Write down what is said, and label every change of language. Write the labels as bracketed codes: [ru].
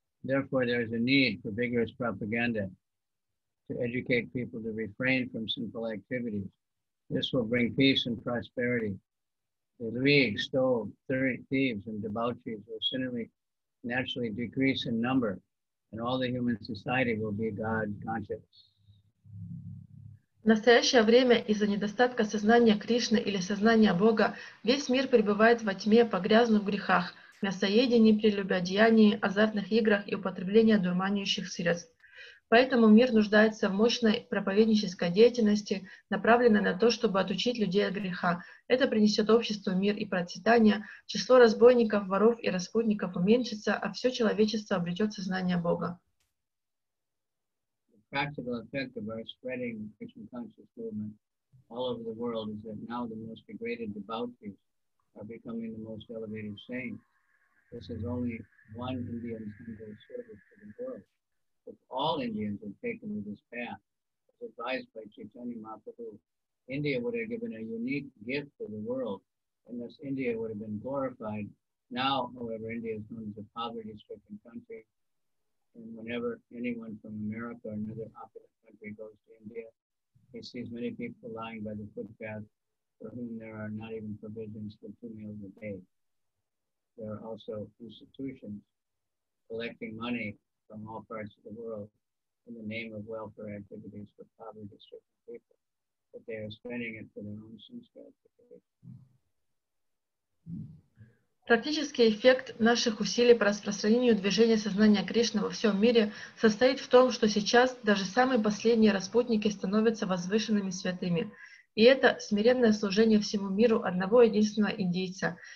[en] Therefore, there is a need for vigorous propaganda to educate people to refrain from sinful activities. This will bring peace and prosperity. The luig, stole, thieves, and debauchees will certainly naturally decrease in number, and all the human society will be God-conscious. [ru] В настоящее время из-за недостатка сознания Кришны или сознания Бога весь мир пребывает во тьме, погрязнув в грехах, мясоедении, прелюбодеянии, азартных играх и употреблении одурманивающих средств. Поэтому мир нуждается в мощной проповеднической деятельности, направленной на то, чтобы отучить людей от греха. Это принесет обществу мир и процветание, число разбойников, воров и распутников уменьшится, а все человечество обретет сознание Бога. [en] The practical effect of our spreading Krishna conscious movement all over the world is that now the most degraded devotees are becoming the most elevated saints. This is only one Indian single service to the world. If all Indians had taken this path, as advised by Chaitanya Mahaprabhu, India would have given a unique gift to the world, and thus India would have been glorified. Now, however, India is known as a poverty-stricken country, and whenever anyone from America or another opulent country goes to India, he sees many people lying by the footpath for whom there are not even provisions for two meals a day. There are also institutions collecting money from all parts of the world in the name of welfare activities for poverty-stricken people, but they are spending it for their own sins. [ru] Практический эффект наших усилий по распространению движения сознания Кришны во всем мире состоит в том, что сейчас даже самые последние распутники становятся возвышенными святыми. И это смиренное служение всему миру одного единственного индийца.